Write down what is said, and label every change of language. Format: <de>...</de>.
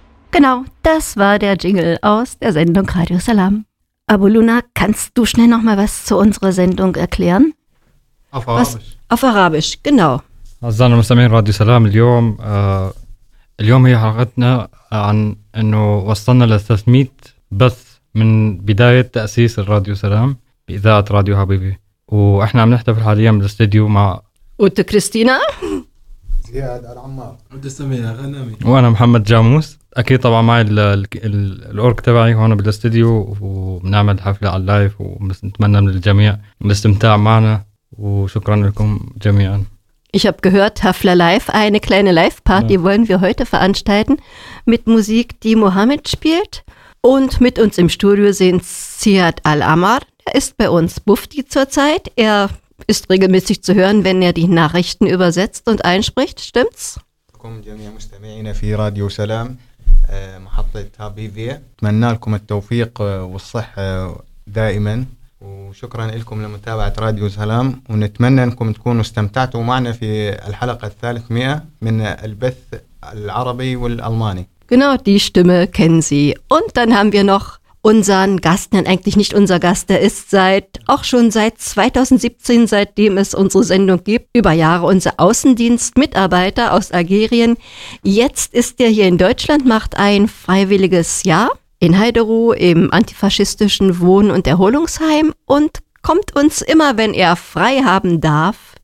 <de>Genau, das war der Jingle aus der Sendung Radio Salam. Abu Luna, kannst du schnell noch mal was zu unserer Sendung erklären? Auf Arabisch. Auf Arabisch, genau.</de> <ar>Azan al-Mustamin Radio Salam, اليوم هي حلقتنا عن انه وصلنا ل 300 بث من بداية تأسيس الراديو سلام بإذاعة راديو حبيبي. واحنا عم نحتفل حاليا بالاستديو مع اوتو كريستينا زياد العمار عبد السميع غنامي وانا محمد جاموس. أكيد طبعا معي الأورك تبعي هون بالاستديو وبنعمل حفلة على اللايف ونتمنى من الجميع الاستمتاع معنا وشكرا لكم جميعا.</ar> <de>Ich habe gehört, Hafla Live, eine kleine Live-Party ja. wollen wir heute veranstalten mit Musik, die Mohammed spielt. Und mit uns im Studio sind Ziad Al-Amar. Er ist bei uns Bufti zurzeit. Er ist regelmäßig zu hören, wenn er die Nachrichten übersetzt und einspricht. Stimmt's?</de> <ar>Willkommen جميع مستمعينا في راديو سلام. محطة حبيبي أتمنى لكم التوفيق والصحة دائما وشكرا لكم لمتابعة راديو سلام ونتمنى أنكم تكونوا استمتعتوا معنا في الحلقة 300 من البث العربي والألماني.</ar> <de>Genau, die Stimme kennen Sie. Und dann haben wir noch unseren Gast, denn eigentlich nicht unser Gast, der ist auch schon seit 2017, seitdem es unsere Sendung gibt, über Jahre unser Außendienstmitarbeiter aus Algerien. Jetzt ist er hier in Deutschland, macht ein freiwilliges Jahr in Heidero im antifaschistischen Wohn- und Erholungsheim und kommt uns immer, wenn er frei haben darf.</de>